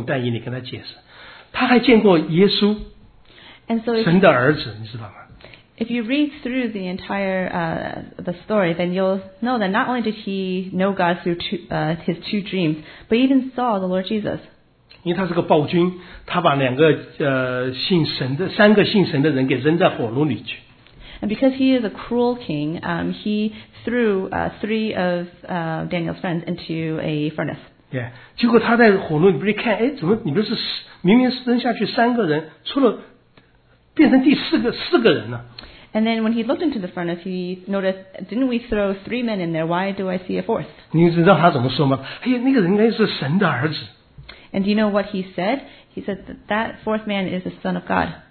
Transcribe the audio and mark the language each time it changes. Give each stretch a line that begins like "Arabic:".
Chinese: 如果你去看把整个但以理书看完，你会发借着两个梦，但以理跟他解释，他还见过耶稣，
English: so
Chinese: 神的儿子，你知道吗？
English: If you read through the entire the story, then you'll know that not only did he know God through his two dreams, but even saw the Lord Jesus.
Chinese: 因为他是个暴君，他把两个信神的三个信神的人给扔在火炉里去。
English: And because he is a cruel king, he threw three of Daniel's friends into a furnace. Yeah.
Chinese: 结果他在火炉里边看，哎，怎么你们是明明扔下去三个人，出了变成第四个四个人了？
English: And then when he looked into the furnace, he noticed, didn't we throw three men in there? Why do I see a fourth?
Chinese: 你知道他怎么说吗？哎呀，那个人应该是神的儿子。
English: And do you know what he said? He said that fourth man is the son of God.